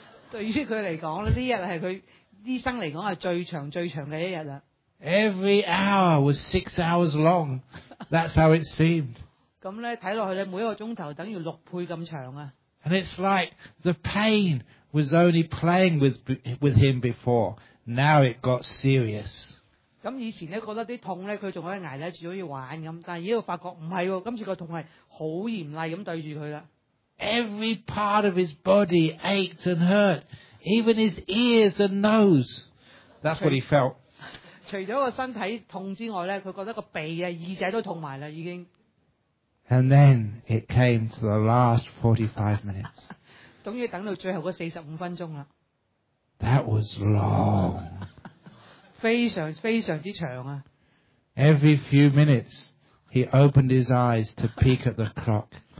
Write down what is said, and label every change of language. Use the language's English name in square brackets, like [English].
[Cantonese] 對於佢嚟講咧，呢日係佢醫生嚟講係最長最長嘅一日啦。 [English] Every hour was 6 hours long. That's how it seemed. [Cantonese] 咁咧睇落去咧，每一個鐘頭等於6倍咁長啊。 [English] And it's like the pain was only playing with him before. Now it got serious. [Cantonese] 咁以前咧觉得啲痛咧，佢仲可以挨得住，可以玩咁。但系而家发觉唔系喎，今次个痛系好严厉咁对住佢啦。 [English] Every part of his body ached and hurt, even his ears and nose. That's what he felt. [Cantonese] 除咗个身体痛之外咧，佢觉得个鼻啊、耳仔都痛埋啦，已经。 [English] And then it came to the last 45 minutes. [Cantonese] 终于等到最后嗰45分钟啦。 [English] That was long. [Cantonese] 非常之长啊。 [English] Every few minutes, he opened his eyes to peek at the clock.